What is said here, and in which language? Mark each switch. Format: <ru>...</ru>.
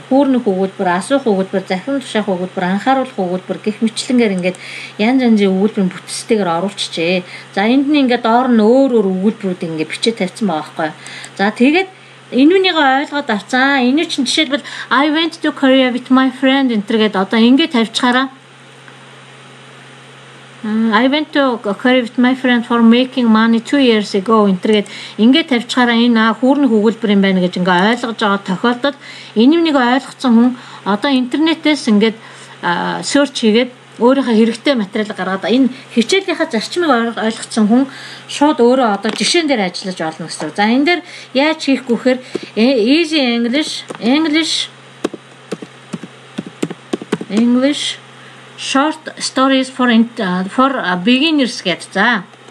<mn>Хөөрнөх өгүүлбэр, асуух өгүүлбэр, захин тушаах өгүүлбэр, анхааруулах өгүүлбэр гэх мэтлэнгээр ингээ янз янзын өгүүлбэрийн бүтцтэйгээр оруулчихжээ. За энд нь ингээ доор нь өөр өөр өгүүлбэрүүд ингээ бичээ тавьсан байгаа байхгүй. За тэгээд энүүнийг ойлгоод авцгаа. Энэ чинь жишээлбэл</mn> <en>I went to Korea with my friend</en> <mn>гэдэг одоо ингэ тавьчихараа.</mn> <en>I went to Korea with my friend for making money 2 years ago</en> <mn>гэдэг ингэ тавьчихараа. Энэ хүүрнэх өгүүлбэр юм байна гэж ингээ ойлгож байгаа тохиолдолд энүүнийг ойлгоцсон хүн одоо интернетээс ингэ search хийгээд өөрийнхөө хэрэгтэй материал гаргаад энэ хичээлийнхаа зарчмыг ойлгоцсон хүн шууд өөрөө одоо жишээн дээр ажиллаж олно гэсэн. За энэ дээр яаж хийх гүйхээр</mn> <en>easy english short stories for beginners</en> <mn>гэж за.</mn>